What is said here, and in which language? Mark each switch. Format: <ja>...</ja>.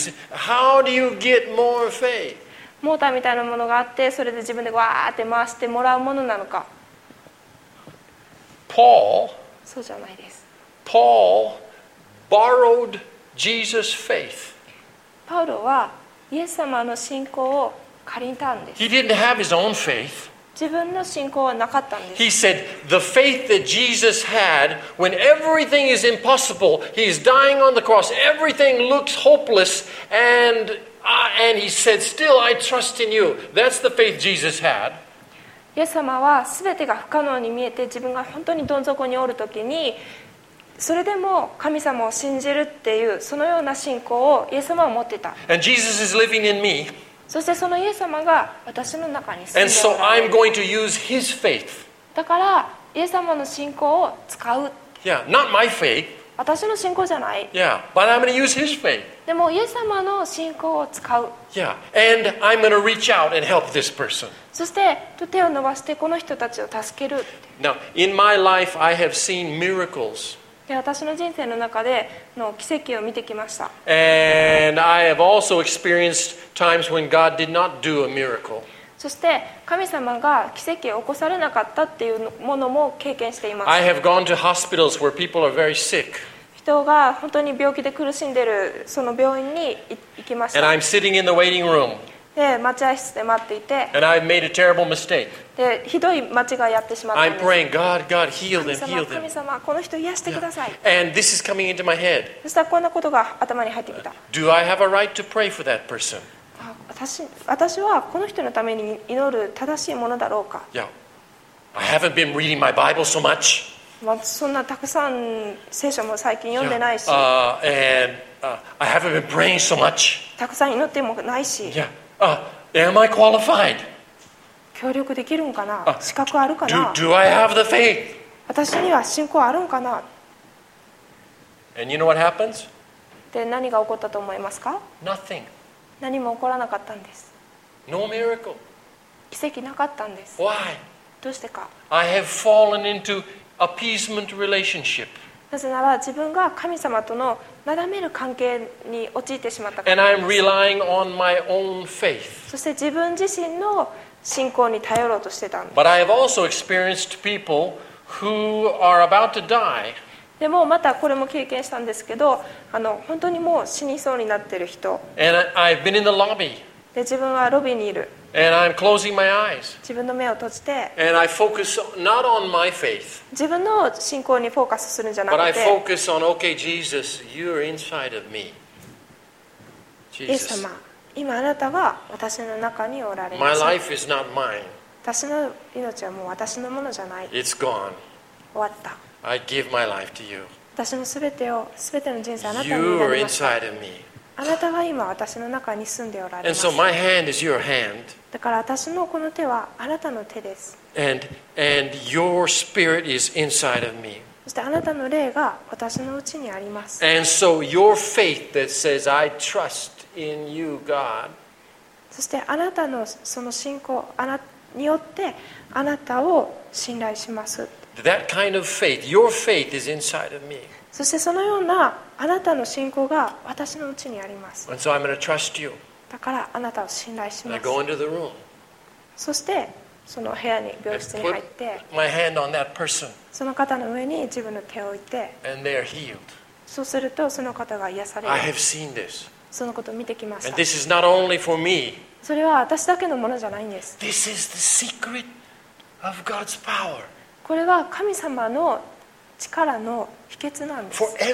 <en>How do you get more faith?</en> <ja>モーターみたいなものがあって、それで自分でわーって回してもらうものなのか。</ja> <en>Paul.</en> <ja>そうじゃないです。</ja> <en>Paul. Borrowed Jesus' faith.</en> <ja>パウロはイエス様の信仰を借りたんです。</ja> <en>He didn't have his own faith.</en> <ja>自分の信仰はなかったんです。</ja> <en>He said the faith that Jesus had when everything is impossible, he is dying on the cross, everything looks hopeless, and he said, "Still, I trust in you." That's the faith Jesus had.</en> <ja>イエス様はすべてが不可能に見えて自分が本当にどん底におるときに。それでも神様を信じるっていうそのような信仰をイエス様は持ってた。</ja> <en>And Jesus is living in me.</en> <ja>そしてそのイエス様が私の中に住んでいる。</ja> <en>And so I'm going to use his faith.</en> <ja>だからイエス様の信仰を使う。</ja> <en>Yeah, not my faith.</en> <ja>私の信仰じゃない。</ja> <en>Yeah, but I'm going to use his faith.</en> <ja>でもイエス様の信仰を使う。</ja> <en>Yeah, and I'm going to reach out and help this person.</en> <ja>そして手を伸ばしてこの人たちを助ける。</ja> <en>Now, in my life, I have seen miracles.</en> <ja>で私の人生の中での奇跡を見てきました。</ja> <en>And I have also experienced times when God did not do a miracle.</en> <ja>そして神様が奇跡を起こされなかったっていうものも経験しています。</ja> <en>I have gone to hospitals where people are very sick.</en> <ja>人が本当に病気で苦しんでるその病院に行きました。</ja> <en>And I'm sitting in the waiting room.</en> <ja>で待ち合い室で待っていて。</ja> <en>And I've made a terrible mistake.</en> <ja>でひどい間違いをやってしまったんです。</ja> <en>I'm praying, God, God, heal them, heal them.</en> <ja>神様、この人癒してください。</ja> <en>Yeah. And this is coming into my head.</en> <ja>そしたらこんなことが頭に入ってきた。</ja> <en>Do I have a right to pray for that person?</en> <ja>私はこの人のために祈る正しいものだろうか。</ja> <en>Yeah. I haven't been reading my Bible so much.</en> <ja>まあ、そんなたくさん聖書も最近読んでないし。</ja> <en>Yeah. I haven't been praying so much.</en> <ja>たくさん祈ってもないし。</ja> <en>Yeah. Am I qualified?</en> <ja>協力できるんかな。資格あるかな。</ja> <en>Do I have the faith?</en> <ja>私には信仰あるんかな。</ja> <en>And you know what happens?</en> <ja>で何が起こったと思いますか。</ja> <en>Nothing.</en> <ja>何も起こらなかったんです。</ja> <en>No miracle.</en> <ja>奇跡なかったんです。</ja> <en>Why?</en> <ja>どうしてか。</ja> <en>I have fallen into appeasement relationship.</en> <ja>なぜなら自分が神様とのなだめる関係に陥ってしまったからです。</ja> <en>And I'm relying on my own faith.</en> <ja>そして自分自身の信仰に頼ろうとしてたんです。</ja> <en>But I have also experienced people who are about to die.</en> <ja>でもまたこれも経験したんですけど、本当にもう死にそうになってる人。</ja> <en>And I've been in the lobby.</en> <ja>で自分はロビーにいる。</ja> <en>And I'm closing my eyes.</en> <ja>自分の目を閉じて。</ja> <en>And I focus not on my faith.</en> <ja>自分の信仰にフォーカスするんじゃなくて。</ja> <en>But I focus on, okay, Jesus, you're inside of me.</en> <ja>イエス様、今あなたは私の中におられます。</ja> <en>My life is not mine.</en> <ja>私の命はもう私のものじゃない。</ja> <en>It's gone.</en> <ja>終わった。</ja> <en>I give my life to you.</en> <ja>私のすべてを、すべての人生あなたに委ねます。</ja> <en>You are inside of me.</en> <ja>あなたは今私の中に住んでおられます。</ja> <en>And so my hand is your hand.</en> <ja>だから私のこの手はあなたの手です。</ja> <en>And your spirit is inside of me.</en> <ja>そしてあなたの霊が私のうちにあります。</ja> <en>And so your faith that says I trust in you, God.</en> <ja>そしてあなたのその信仰、あなたによってあなたを信頼します。</ja> <en>That kind of faith, your faith is inside of me.</en> <ja>そしてそのようなあなたの信仰が私のうちにあります。</ja> <en>And so I'm going to trust you.</en> <ja>だからあなたを信頼します。</ja> <en>And I go into the room.</en> <ja>そしてその部屋に病室に入って、</ja> <en>And put my hand on that person.</en> <ja>その方の上に自分の手を置いて、</ja> <en>And they are healed.</en> <ja>そうするとその方が癒される。</ja> <en>I have seen this.</en> <ja>そのことを見てきました。</ja> <en>And this is not only for me.</en> <ja>それは私だけのものじゃないんです。</ja> <en>This is the secret of God's power.</en> <ja>これは神様の力の秘訣なんです。</ja>